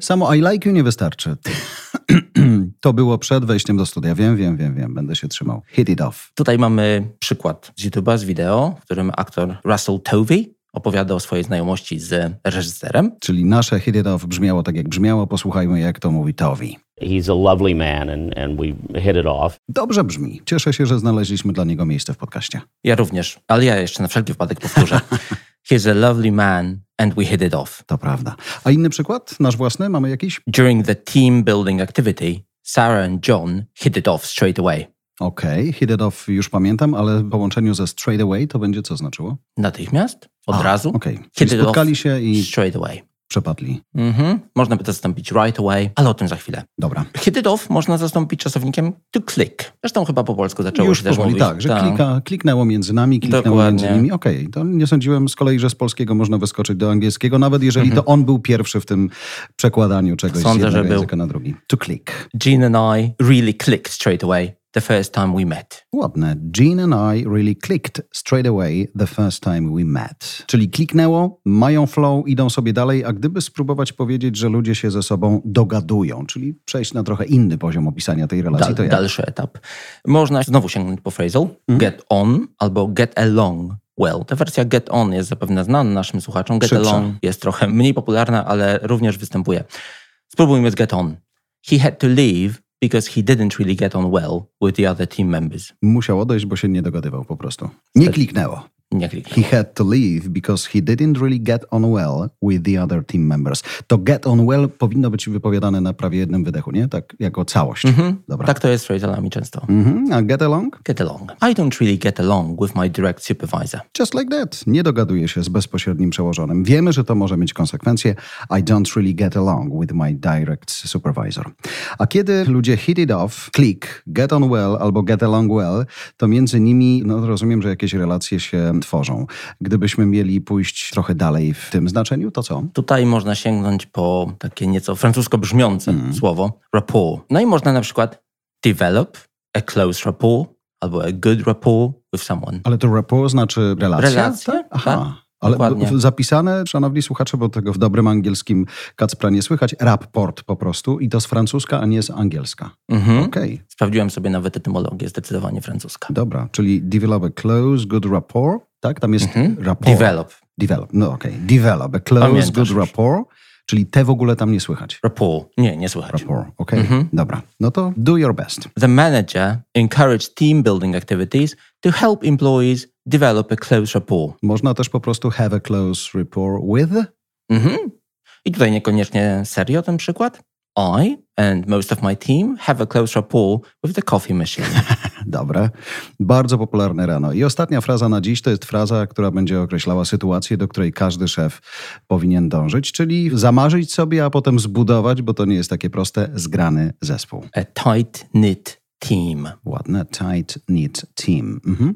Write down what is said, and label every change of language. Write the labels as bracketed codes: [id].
[pl] Samo [en] I like you [pl] nie wystarczy. To było przed wejściem do studia. Wiem. Będę się trzymał. Hit it off. Tutaj mamy przykład z YouTube'a, z wideo, w którym aktor Russell Tovey opowiada o swojej znajomości z reżyserem. Czyli nasze hit it off brzmiało tak, jak brzmiało. Posłuchajmy, jak to mówi Tovey. [en] He's a lovely man and we hit it off. [pl] Dobrze brzmi. Cieszę się, że znaleźliśmy dla niego miejsce w podcaście. Ja również, ale ja jeszcze na wszelki wypadek powtórzę. [en] He's a lovely man and we hit it off. [pl] To prawda. A inny przykład? Nasz własny? Mamy jakiś? [en] During the team building activity, Sarah and John hit it off straight away. [pl] Okej, okay, hit it off już pamiętam, ale w połączeniu ze straight away to będzie co znaczyło? Natychmiast, od razu. Okej, okay. Spotkali się i... [en] Straight away. [pl] Przepadli. Mm-hmm. Można by to zastąpić right away, ale o tym za chwilę. Dobra. Hit it off można zastąpić czasownikiem to click. Zresztą chyba po polsku zaczęło już się też mówić. Już tak, że tak. Kliknęło między nami, między nimi. Okej, okay. To nie sądziłem z kolei, że z polskiego można wyskoczyć do angielskiego, nawet jeżeli to on był pierwszy w tym przekładaniu czegoś sądzę, z jednego że języka był. Na drugi. To click. [en] Jean and I really clicked straight away. The first time we met. [pl] Ładne. [en] Jean and I really clicked straight away the first time we met. [pl] Czyli kliknęło, mają flow, idą sobie dalej, a gdyby spróbować powiedzieć, że ludzie się ze sobą dogadują, czyli przejść na trochę inny poziom opisania tej relacji, to jak? Dalszy etap. Można znowu sięgnąć po phrasal, get on albo get along. Well, ta wersja get on jest zapewne znana naszym słuchaczom. Get along jest trochę mniej popularna, ale również występuje. Spróbujmy z get on. [en] He had to leave because he didn't really get on well with the other team members. [pl] Musiał odejść, bo się nie dogadywał po prostu. Nie kliknęło. Nie kliknęło. [en] He had to leave because he didn't really get on well with the other team members. [pl] To get on well powinno być wypowiadane na prawie jednym wydechu, nie? Tak jako całość. Mm-hmm. Dobra. Tak to jest z phrasalami często. Mm-hmm. A get along? [en] Get along. I don't really get along with my direct supervisor. Just like that. [pl] Nie dogaduję się z bezpośrednim przełożonym. Wiemy, że to może mieć konsekwencje. [en] I don't really get along with my direct supervisor. [pl] A kiedy ludzie hit it off, click, get on well albo get along well, to między nimi, no rozumiem, że jakieś relacje się tworzą. Gdybyśmy mieli pójść trochę dalej w tym znaczeniu, to co? Tutaj można sięgnąć po takie nieco francusko brzmiące słowo rapport. No i można na przykład develop a close rapport albo a good rapport with someone. Ale to rapport znaczy relacja? Relacja, tak. Aha. Ale dokładnie. Zapisane, szanowni słuchacze, bo tego w dobrym angielskim Kacpra nie słychać, rapport po prostu i to z francuska, a nie z angielska. Mm-hmm. [en] Okay. [pl] Sprawdziłem sobie nawet etymologię, zdecydowanie francuska. Dobra, czyli develop a close, good rapport, tak? Tam jest rapport. [en] Develop. Develop, no okej. Okay. Develop a close, [pl] pamiętasz good rapport, czyli te w ogóle tam nie słychać. Rapport, nie słychać. Rapport, okej. Okay. Mm-hmm. Dobra, no to [en] do your best. The manager encouraged team building activities to help employees develop a close rapport. [pl] Można też po prostu have a close rapport with. Mhm. I tutaj niekoniecznie serio ten przykład. [en] I and most of my team have a close rapport with the coffee machine. [pl] Dobra. Bardzo popularne rano. I ostatnia fraza na dziś to jest fraza, która będzie określała sytuację, do której każdy szef powinien dążyć, czyli zamarzyć sobie, a potem zbudować, bo to nie jest takie proste, zgrany zespół. [en] A tight-knit team. [pl] Ładne, tight-knit team. Mhm.